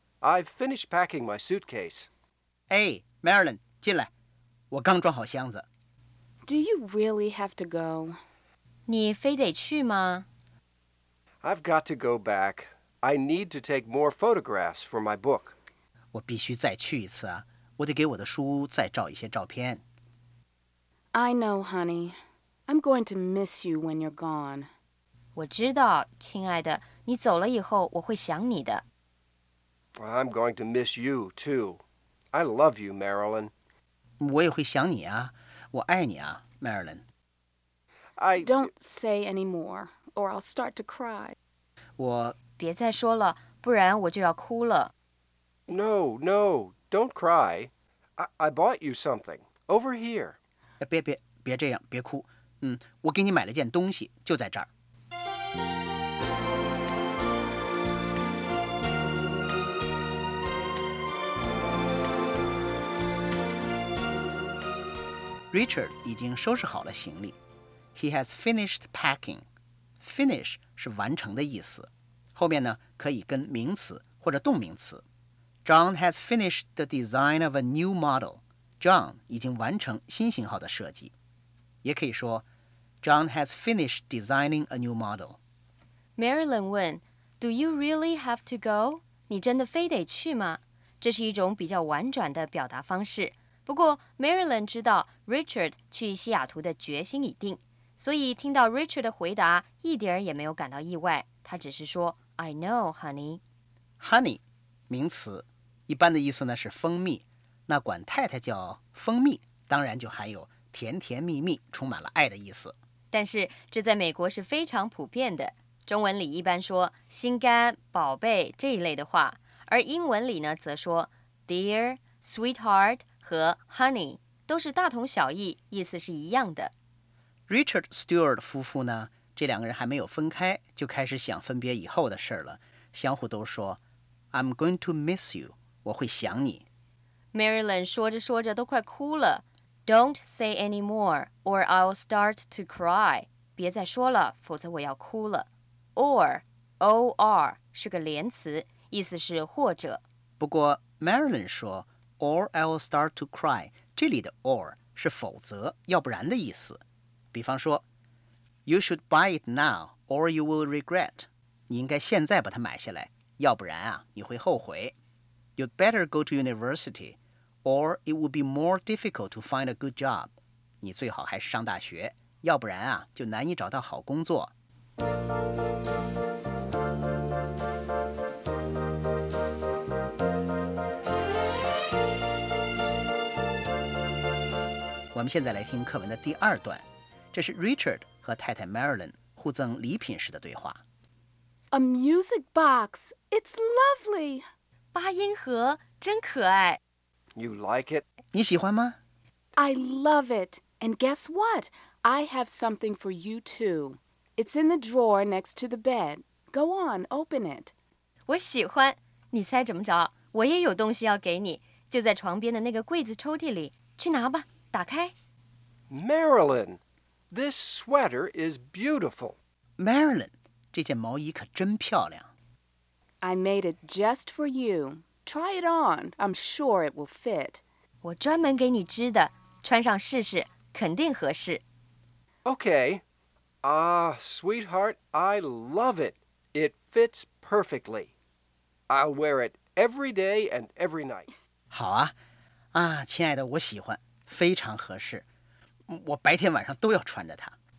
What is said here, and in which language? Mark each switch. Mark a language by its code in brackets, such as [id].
[en] I've finished packing my suitcase. [zh] Hey, Marilyn, 进来。我刚装好箱子。 [en] Do you really have to go? [zh] 你非得去吗？ [en] I've got to go back. I need to take more photographs for my book. [zh] 我必须再去一次啊，我得给我的书再照一些照片。 [en] I know, honey. I'm going to miss you when you're gone. [zh] 我知道，亲爱的，你走了以后我会想你的。 [en] I'm going to miss you, too. I love you, Marilyn. [zh] 我也会想你啊，我爱你啊，Marilyn. [en] I... Don't say any more. Or I'll start to cry. [zh] 我别再说了，不然我就要哭了。 [en] No, no, don't cry. I bought you something over here. [zh] 别这样，别哭。我给你买了件东西，就在这儿。 Richard 已经收拾好了行李。 [en] He has finished packing. [zh] Finish 是完成的意思，后面呢可以跟名词或者动名词。 [en] John has finished the design of a new model. John [zh] 已经完成新型号的设计，也可以说 [en] John has finished designing a new model. Marilyn 问 Do you really have to go? [zh] 你真的非得去吗？这是一种比较婉转的表达方式。不过 Marilyn 知道 Richard 去西雅图的决心已定，所以听到 Richard 的回答一点也没有感到意外，他只是说 [en] I know, honey. [zh] Honey, 名词，一般的意思呢是蜂蜜，那管太太叫蜂蜜，当然就含有甜甜蜜蜜，充满了爱的意思。但是这在美国是非常普遍的，中文里一般说心肝、宝贝这一类的话，而英文里呢则说 dear, sweetheart 和 honey 都是大同小异，意思是一样的。 Richard Stewart 夫妇呢，这两个人还没有分开，就开始想分别以后的事了，相互都说 [en] I'm going to miss you, [zh] 我会想你。 Marilyn 说着说着都快哭了， [en] Don't say any more, or I'll start to cry, [zh] 别再说了，否则我要哭了。 or 是个连词，意思是或者。不过 [en] Marilyn [zh] 说 [en] or I'll start to cry, [zh] 这里的 [en] or [zh] 是否则要不然的意思，比方说 [en] You should buy it now or you will regret. [zh] 你应该现在把它买下来，要不然啊你会后悔。 [en] You'd better go to university or it would be more difficult to find a good job. [zh] 你最好还是上大学，要不然啊就难以找到好工作。我们现在来听课文的第二段，这是 Richard 和太太 Marilyn 互赠礼品时的对话。 [en] A music box, it's lovely. [zh] 八音盒真可爱。 [en] You like it? [zh] 你喜欢吗？ [en] I love it. And guess what? I have something for you too. It's in the drawer next to the bed. Go on, open it. [zh] 我喜欢。你猜怎么着？我也有东西要给你，就在床边的那个柜子抽屉里。去拿吧，打开。 [en] Marilyn. This sweater is beautiful. [zh] Marilyn, 这件毛衣可真漂亮。 [en] I made it just for you. Try it on. I'm sure it will fit. [zh] 我专门给你织的，穿上试试，肯定合适。 [en] Okay. Sweetheart, I love it. It fits perfectly. I'll wear it every day and every night. [zh] 好啊。啊，亲爱的，我喜欢，非常合适。我白天晚上都要穿着它。